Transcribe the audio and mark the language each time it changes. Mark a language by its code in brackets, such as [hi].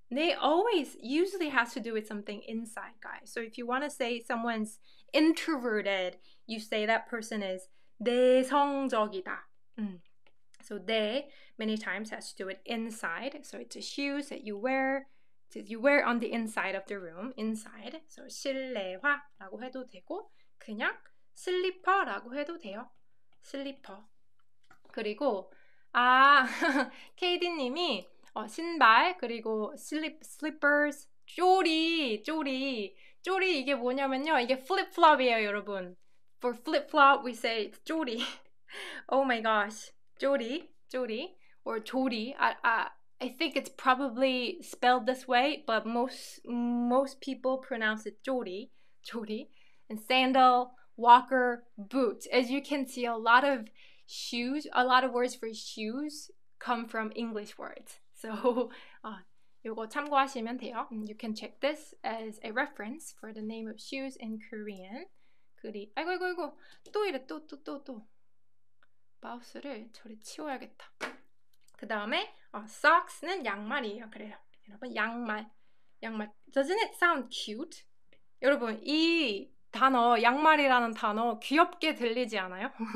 [en] 내 always usually has to do with something inside, guys. So if you want to say someone's introverted, you say that person is 내성적이다. So 내 many times has to do with inside. So it's a shoes that you wear on the inside of the room, inside. [ko] So 실내화라고 해도 되고 그냥 슬리퍼라고 해도 돼요. 슬리퍼. 그리고 아, KD님이 신발 그리고 slippers 쪼리, 쪼리, 쪼리 이게 뭐냐면요, 이게 flip-flop이에요, 여러분. [en] For flip-flop, we say it's 쪼리. Oh my gosh, 쪼리, 쪼리, or 조리. I think it's probably spelled this way, but most people pronounce it 쪼리, 쪼리. And sandal, walker, boots. As you can see, a lot of shoes, a lot of words for shoes come from English words. [ko] So, 요거 참고하시면 돼요. [en] You can check this as a reference for the name of shoes in Korean. [ko] 그리, 아이고, 아이고, 아이고. 또 이래, 또, 또, 또, 또. 마우스를 저리 치워야겠다. 그 다음에, socks는 양말이에요. 그래요. 여러분, 양말. 양말. [en] Doesn't it sound cute? [ko] 여러분, 이 단어, 양말이라는 단어 귀엽게 들리지 않아요?